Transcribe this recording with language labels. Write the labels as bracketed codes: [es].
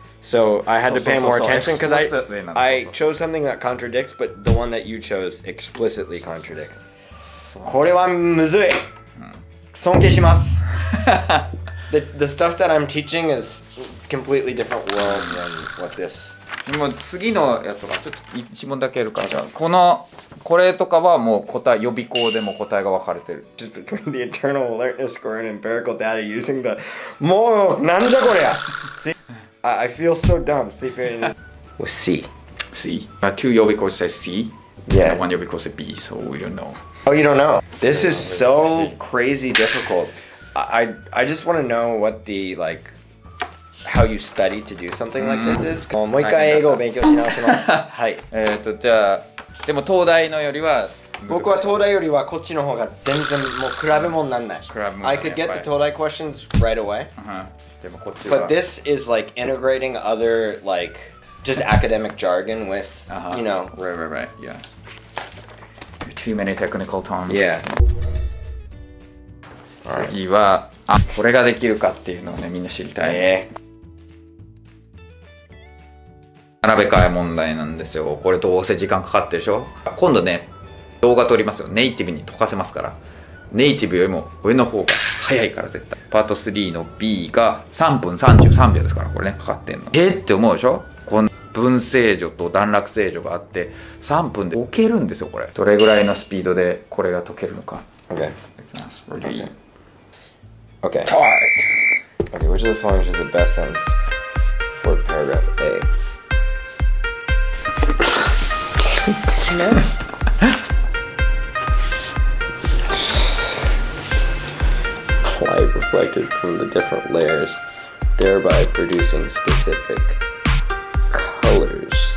[en] So I had to pay more attention because I chose something that contradicts, but the one that you chose explicitly contradicts. [ja] これはむずい。尊敬します。 [en] The stuff that I'm teaching is completely different world than what this. [ja] でも次のやつがちょっと一問だけあるから、じゃあこのこれとかはもう答え予備校でも答えが分かれてる。 [en] Just between the internal alertness score and empirical data using the [ja] もうなんだこれや。 [en] See, I feel so dumb. See, well, C. C. Two 予備校 says C. Yeah. One 予備校 says B. So we don't know. Oh, you don't know. This is so crazy difficult. I just want to know what the like. How you study to do something like this is? [ja] もう一回英語を勉強し直します。はい。じゃあ、でも東大のよりは、僕は東大よりはこっちの方が全然もう比べ物になんない。比べ物。 [en] I could get the 東大 questions right away. [ja] でもこっちは。 [en] But this is like integrating other like just academic jargon with, you know. Right. Yeah. Too many technical terms. Yeah. [ja] 次は、あ、これができるかっていうのをねみんな知りたい。並べ替え問題なんですよ。これどうせ時間かかってるでしょ。今度ね動画撮りますよ。ネイティブに解かせますから。ネイティブよりも上の方が早いから絶対。パート3の B が3分33秒ですから、これねかかってんの。えって思うでしょ。この分正序と段落正序があって3分で置けるんですよ。これどれぐらいのスピードでこれが解けるのか。 OK いきます。 [en] Ready? OK Start! OK, which of the functions is the best sentence for paragraph ALight reflected from the different layers, thereby producing specific colors.